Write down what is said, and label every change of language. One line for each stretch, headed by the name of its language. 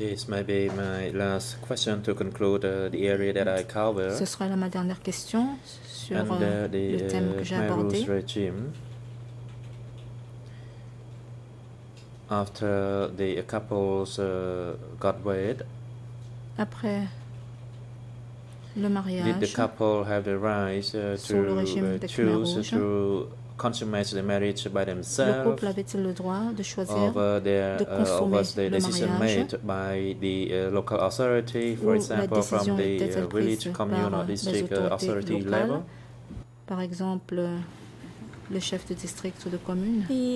English: This may be my last question to conclude the area that I cover.
French: Ce sera ma dernière question sur le thème que j'ai abordé.
English: Meru's regime. After the couples got wed.
French: Après le mariage.
English: Did the couple have the right to consummate the marriage by themselves?
French: Le couple avait-il le droit de choisir de consommer le mariage
English: by the local authority, for example, from the village, commune, or district authority locales, level?
French: Par exemple, le chef de district ou de commune.